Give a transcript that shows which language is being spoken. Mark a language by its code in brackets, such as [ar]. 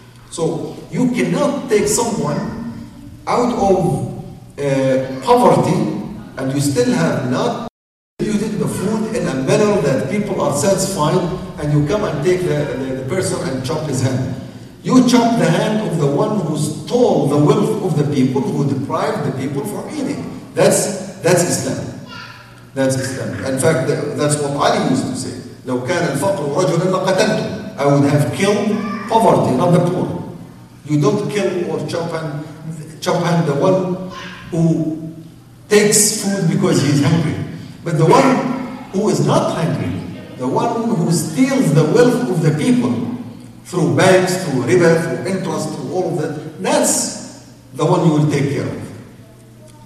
[en] So you cannot take someone out of poverty and you still have not distributed the food in a manner that people are satisfied, and you come and take the person and chop his hand. You chop the hand of the one who stole the wealth of the people, who deprived the people from eating. That's Islam. That's Islam. In fact, that's what Ali used to say. [ar] لو كان الفقر رجلا لقتلته. [en] I would have killed poverty, not the poor. You don't kill or chop hand the one who takes food because he's hungry. But the one who is not hungry, the one who steals the wealth of the people through banks, through riba, through interest, through all of that, that's the one you will take care of.